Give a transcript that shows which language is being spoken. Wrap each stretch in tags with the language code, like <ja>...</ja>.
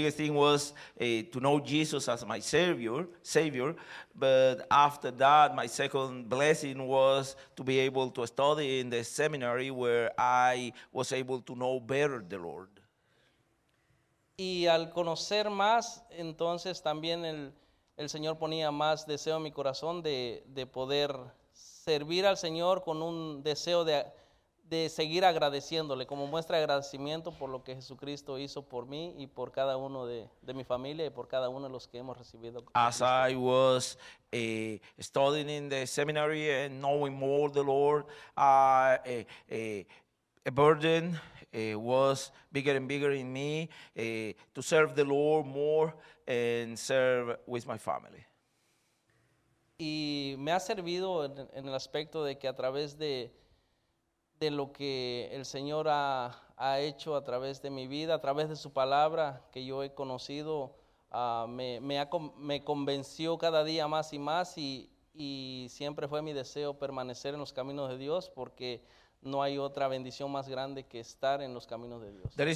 <en>My biggest thing was to know Jesus as my savior, but after that my second blessing was to be able to study in the seminary where I was able to know better the Lord.</en> <es>Y al conocer más, entonces también el Señor ponía más deseo en mi corazón de poder servir al Señor con un deseo de seguir agradeciéndole como muestra de agradecimiento por lo que Jesucristo hizo por mí y por cada uno de mi familia y por cada uno de los que hemos recibido.</es> <en>As I was studying in the seminary and knowing more the Lord, a burden was bigger and bigger in me to serve the Lord more and serve with my family.</en> <es>Y me ha servido en el aspecto de que a través de lo que el Señor ha hecho a través de mi vida, a través de su palabra que yo he conocido, me convenció cada día más y más y siempre fue mi deseo permanecer en los caminos de Dios porque no hay otra bendición más grande que estar en los caminos de Dios.</es>